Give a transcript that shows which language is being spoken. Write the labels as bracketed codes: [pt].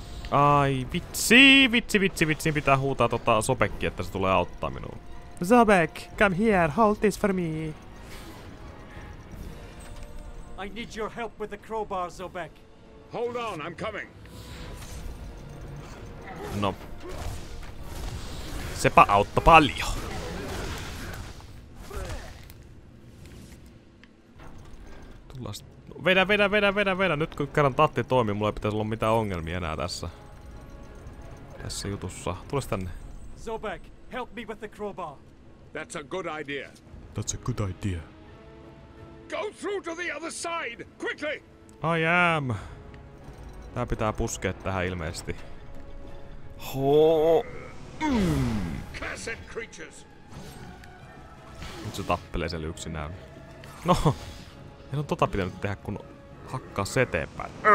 [fi] Ai vitsi. Pitää huutaa Sobekki, että se tulee auttaa minua. [en] Sobek, come here, hold this for me. I need your help with the crowbar, Zobek. Hold on, I'm coming. [fi] No. Sepä auttoi paljon. Tullaan vedä. Nyt kun kerran tatti toimii, mulla ei pitäisi olla mitään ongelmia enää tässä. Tässä jutussa. Tulis tänne. [en] Zobek, help me with the crowbar. That's a good idea. Go through to the other side, quickly! I am! [fi] Tää pitää puskea tähän ilmeisesti. Hooo! [en] Cursed creatures! [fi] Nyt se tappelee siellä yksinään. No, en on tota pitänyt tehdä, kun hakkaa se eteenpäin.